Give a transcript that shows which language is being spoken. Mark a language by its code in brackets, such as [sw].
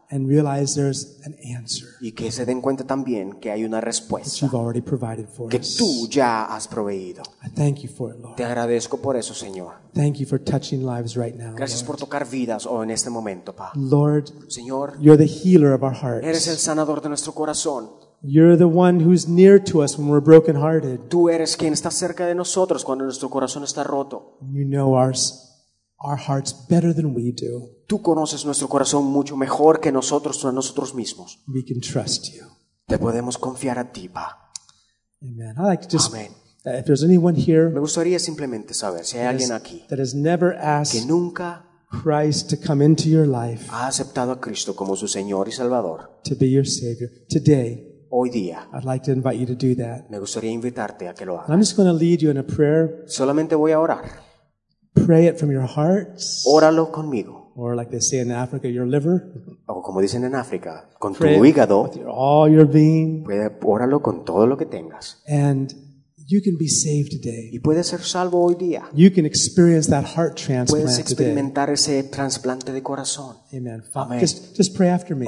[en] And realize there's an answer. [es] Y que se den cuenta también que hay una respuesta. [en] That you've already provided for [es] que [en] us. [es] Tú ya has proveído. [en] I thank you for it, Lord. [es] Te agradezco por eso, Señor. [en] Thank you for touching lives right now. [es] Gracias [en] Lord. [es] Por tocar vidas hoy en este momento, Pa. [en] Lord, [es] Señor, [en] you're the healer of our hearts. [es] Eres el sanador de nuestro corazón. [en] You're the one who's near to us when we're brokenhearted. [es] Tú eres quien está cerca de nosotros cuando nuestro corazón está roto. [en] You know our hearts better than we do. [es] Tú conoces nuestro corazón mucho mejor que nosotros mismos. [en] We can trust you. [es] Te podemos confiar a ti, Pa. [en] Amen. I like to just. Amen. If there's anyone here, [es] me gustaría simplemente saber si hay alguien aquí [en] that has never asked [es] que nunca [en] Christ to come into your life, [es] ha aceptado a Cristo como su Señor y Salvador, [en] to be your Savior today. [es] Hoy día, [en] I'd like to invite you to do that. [es] Me gustaría invitarte a que lo hagas. [en] And I'm just going to lead you in a prayer. [es] Solamente voy a orar. [en] Pray it from your hearts. [es] Óralo conmigo. [en] Or like they say in Africa, your liver. [es] O como dicen en África, con tu hígado. [en] With all your being. [es] Óralo con todo lo que tengas. [en] And you can be saved today. [es] Y puedes ser salvo hoy día. [en] You can experience that heart transplant today. [es] Puedes experimentar [en] today. [es] Ese trasplante de corazón. [en] Amen. [es] Amen. [en] Just pray after me.